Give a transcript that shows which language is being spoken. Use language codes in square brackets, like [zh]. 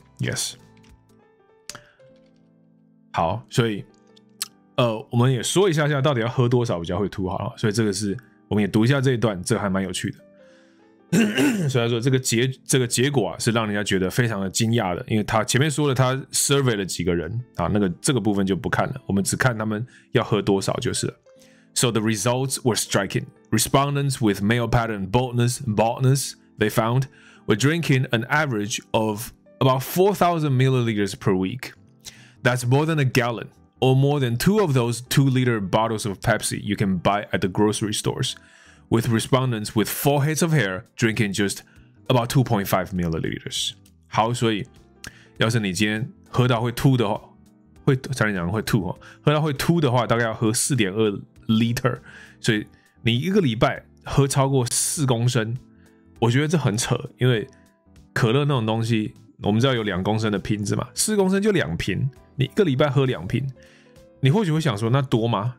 [zh] Yes， 好，所以我们也说一下到底要喝多少比较会吐好了，所以这个是我们也读一下这一段，这个还蛮有趣的所以他说这个结果啊是让人家觉得非常的惊讶的，因为他前面说了他 survey 了几个人啊，那个这个部分就不看了，我们只看他们要喝多少就是了。 [en] So the results were striking. Respondents with male pattern baldness they found were drinking an average ofabout 4,000 milliliters per week. That's more than a gallon, or more than two of those 2-liter bottles of Pepsi you can buy at the grocery stores, with respondents with four heads of hair drinking just about 2.5 milliliters. [zh] 好，所以要是你今天喝到会吐的话，会，差点讲会吐，喝到会吐的话，大概要喝 4.2 liter， 所以你一个礼拜喝超过4公升，我觉得这很扯，因为可乐那种东西我们知道有两公升的瓶子嘛，四公升就两瓶，你一个礼拜喝两瓶，你或许会想说那多吗？